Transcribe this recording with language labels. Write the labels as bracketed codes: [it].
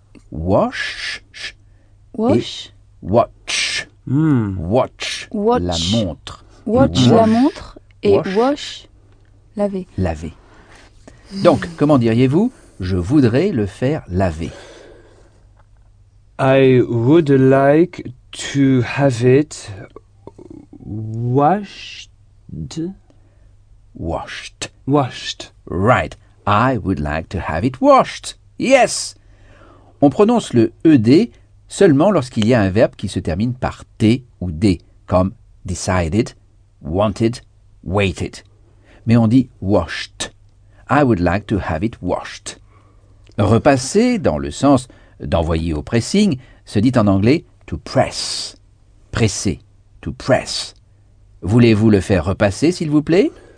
[en] Wash. Wash. Watch. Mm. Watch. Watch. [fr] La montre. Watch la montre et wash. Laver. Laver. Donc, comment diriez-vous? Je voudrais le faire laver. [en] I would like to have it washed. Washed. Washed. Right. I would like to have it washed. Yes. [fr] On prononce le ED seulement lorsqu'il y a un verbe qui se termine par T ou D, comme [en] decided, wanted, waited. [fr] Mais on dit washed. [en] I would like to have it washed. [fr] Repasser, dans le sens d'envoyer au pressing, se dit en anglais to press. Presser, to press. Voulez-vous le faire repasser, s'il vous plaît?